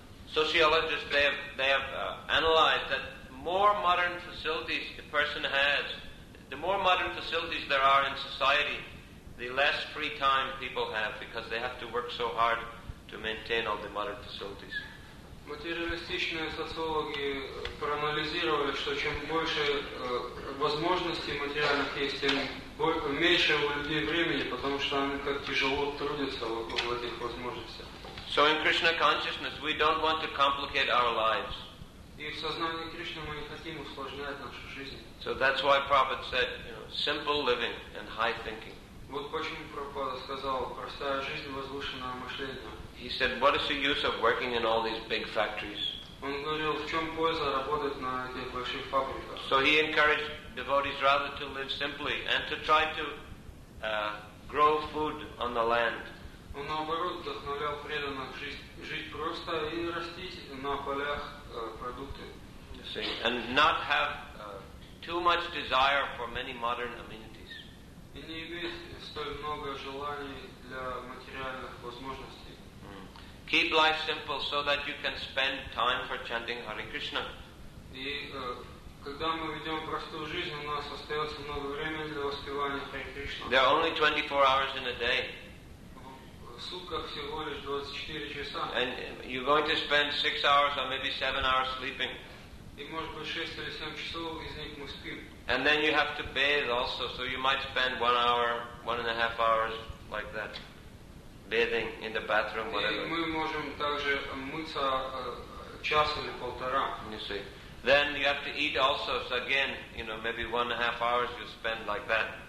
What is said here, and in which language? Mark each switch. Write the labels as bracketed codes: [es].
[en] Sociologists, they have analyzed that more modern facilities a person has, the more modern facilities there are in society, the less free time people have because they have to work so hard to maintain all the modern facilities. [ru] Материалистичные социологи проанализировали, что чем больше возможностей материальных есть, тем меньше у людей времени, потому что они как тяжело трудятся вокруг этих возможностей. [en] So in Krishna consciousness, we don't want to complicate our lives. [ru] И в сознании Кришны мы не хотим усложнять нашу жизнь. [en] So that's why Prabhupada said, you know, simple living and high thinking. [ru] Вот почему Прабхупада сказал, простая жизнь, возвышенное мышление. [en] He said, what is the use of working in all these big factories? [ru] Он говорил, в чем польза работать на этих больших фабриках? [en] So he encouraged devotees rather to live simply and to try to grow food on the land. [ru] Он наоборот вдохновлял преданных жить просто и растить на полях продукты. [en] And not have too much desire for many modern amenities. [ru] И не иметь столь много желаний для материальных возможностей. [en] Keep life simple so that you can spend time for chanting Hare Krishna. [ru] И когда мы ведем простую жизнь, у нас остается много времени для воспевания Hare Krishna. [en] There are only 24 hours in a day. [ru] В сутках всего лишь 24 часа. [en] And you're going to spend 6 hours or maybe 7 hours sleeping. [ru] И может быть 6 или 7 часов из них мы спим. [en] And then you have to bathe also, so you might spend 1 hour, 1 and a half hours like that. Bathing in the bathroom, whatever. You see. Then you have to eat also. So again, you know, maybe 1.5 hours you spend like that.